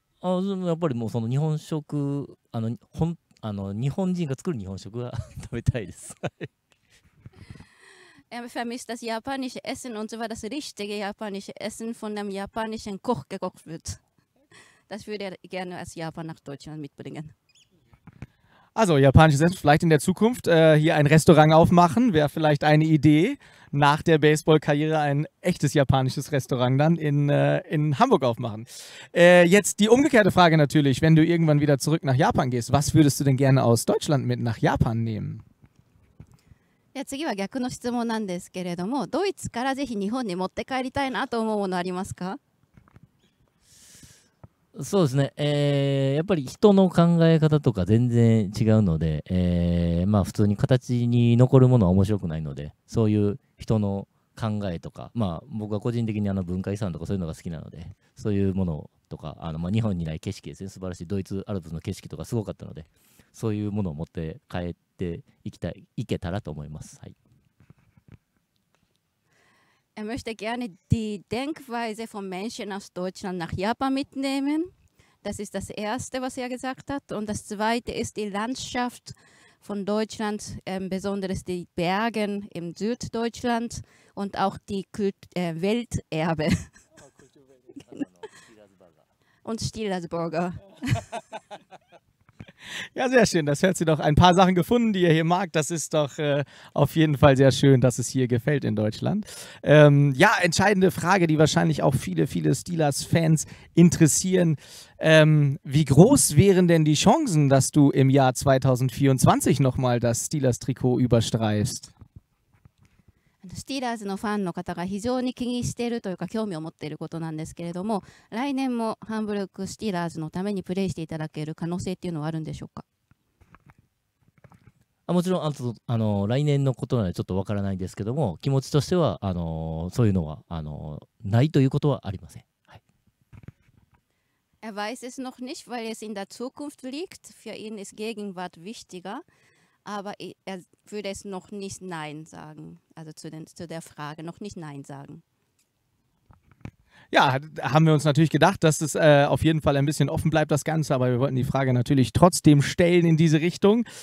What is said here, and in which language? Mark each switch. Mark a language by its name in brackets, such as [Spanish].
[Japanese] あ、やっぱりもうその日本食、日本人が作る日本食が食べたいです。 [German] Er vermisst das japanische Essen und zwar das richtige japanische Essen von einem japanischen Koch gekocht wird. Das würde er gerne als Japan nach Deutschland mitbringen. Also japanisches Essen, vielleicht in der Zukunft hier ein Restaurant aufmachen, wäre vielleicht eine Idee. Nach der Baseball-Karriere ein echtes japanisches Restaurant dann in Hamburg aufmachen. Jetzt die umgekehrte Frage natürlich, wenn du irgendwann wieder zurück nach Japan gehst, was würdest du denn gerne aus Deutschland mit nach Japan nehmen? [Japanese] Ja, 次は逆の質問なんですけれども、ドイツからぜひ日本に持って帰りたいなと思うものありますか？そうですね、やっぱり人の考え方とか全然違うので、まあ普通に形に残るものは面白くないので、そういう人の考えとか、まあ僕は個人的にあの文化遺産とかそういうのが好きなので、そういうものとか、まあ日本にない景色ですね、素晴らしいドイツアルプスの景色とかすごかったので、そういうものを持って帰っていきたい、いけたらと思います。はい。 [German] Er möchte gerne die Denkweise von Menschen aus Deutschland nach Japan mitnehmen. Das ist das Erste, was er gesagt hat. Und das Zweite ist die Landschaft von Deutschland, besonders die Berge im Süddeutschland und auch die Welterbe. Und Steelersburger. Ja, sehr schön. Das hört sich doch ein paar Sachen gefunden, die ihr hier mag. Das ist doch auf jeden Fall sehr schön, dass es hier gefällt in Deutschland. Ja, entscheidende Frage, die wahrscheinlich auch viele, viele Steelers-Fans interessieren. Wie groß wären denn die Chancen, dass du im Jahr 2024 nochmal das Steelers-Trikot überstreifst? [Japanese] Steelers のファンの方が非常に気にしているというか興味を持っていることなんですけれども、来年もハンブルクスティーラーズのためにプレーしていただける可能性っていうのはあるんでしょうか？もちろん来年のことなのでちょっとわからないんですけども、気持ちとしてはそういうのはないということはありません。 [German] はい。Er weiß es noch nicht, weil es in der Zukunft liegt. Für ihn ist Gegenwart wichtiger. Aber er würde es noch nicht Nein sagen, also zu der Frage noch nicht Nein sagen. Ja, haben wir uns natürlich gedacht, dass es auf jeden Fall ein bisschen offen bleibt, das Ganze, aber wir wollten die Frage natürlich trotzdem stellen in diese Richtung.